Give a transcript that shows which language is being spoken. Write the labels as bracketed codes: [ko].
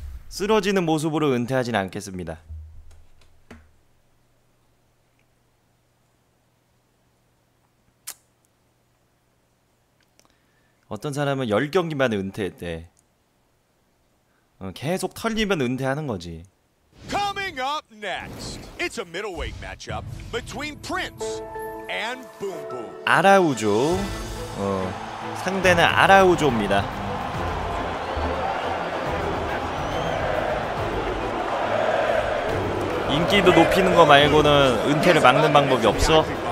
[ko] 쓰러지는 모습으로 은퇴하진 않겠습니다. 어떤 사람은 10경기만 은퇴했대. 계속 털리면 은퇴하는 거지. [en] Coming up next. It's a middleweight matchup between Prince and Boom Boom. [ko] 아라우조. 상대는 아라우조입니다. 인기도 높이는 거 말고는 은퇴를 막는 방법이 없어.